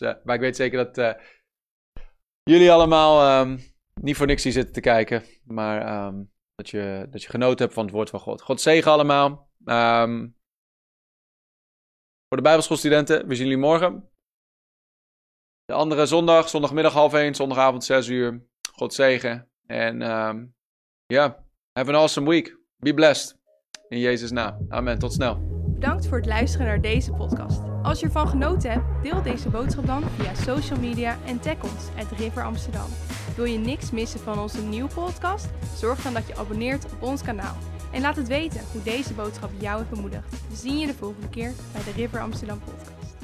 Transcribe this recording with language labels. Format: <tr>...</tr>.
<nl>Maar ik weet zeker dat jullie allemaal niet voor niks hier zitten te kijken. Maar dat je genoten hebt van het woord van God. God zegen allemaal. Voor de Bijbelschoolstudenten, we zien jullie morgen. De andere zondag, zondagmiddag 12:30, zondagavond 6:00. God zegen. En ja,</nl> <en>have an awesome week. Be blessed.</en> <nl>In Jezus' naam. Amen. Tot snel. Bedankt voor het luisteren naar deze podcast. Als je ervan genoten hebt, deel deze boodschap dan via social media en tag ons @RiverAmsterdam. Wil je niks missen van onze nieuwe podcast? Zorg dan dat je abonneert op ons kanaal. En laat het weten hoe deze boodschap jou heeft bemoedigd. We zien je de volgende keer bij de River Amsterdam Podcast.</nl>